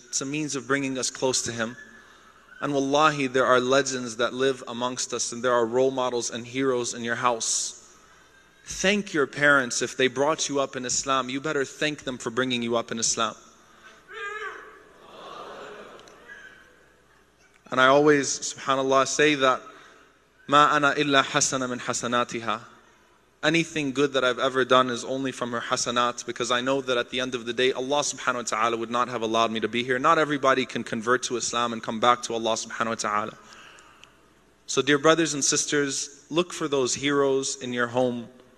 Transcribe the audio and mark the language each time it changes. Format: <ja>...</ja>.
<en>It's a means of bringing us close to Him. And wallahi, there are legends that live amongst us and there are role models and heroes in your house. Thank your parents if they brought you up in Islam. You better thank them for bringing you up in Islam. And I always, subhanAllah, say that</en> <ar>ما أنا إلا حسنة من حسناتها.</ar> <en>Anything good that I've ever done is only from her hasanat, because I know that at the end of the day, Allah subhanahu wa ta'ala would not have allowed me to be here. Not everybody can convert to Islam and come back to Allah subhanahu wa ta'ala. So dear brothers and sisters, look for those heroes in your home.</en>